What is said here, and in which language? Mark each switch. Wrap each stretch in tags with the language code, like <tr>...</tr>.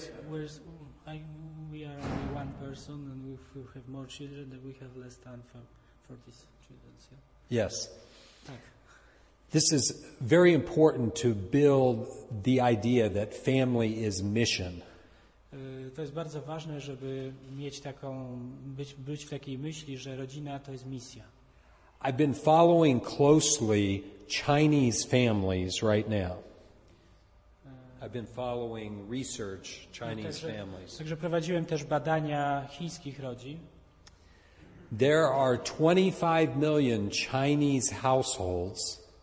<en>We are only one person, and if we have more children, then we have less time for these children. Yeah? Yes.</en> <pl>Tak.</pl> <en>This is very important to build the idea that family is mission.</en> <pl>To jest bardzo ważne, żeby mieć taką, być w takiej myśli, że rodzina to jest misja.</pl> <en>I've been following closely Chinese families right now. I've been following research Chinese families.</en> <pl>Także prowadziłem też badania chińskich rodzin.</pl> <en>There are 25 million Chinese households.</en>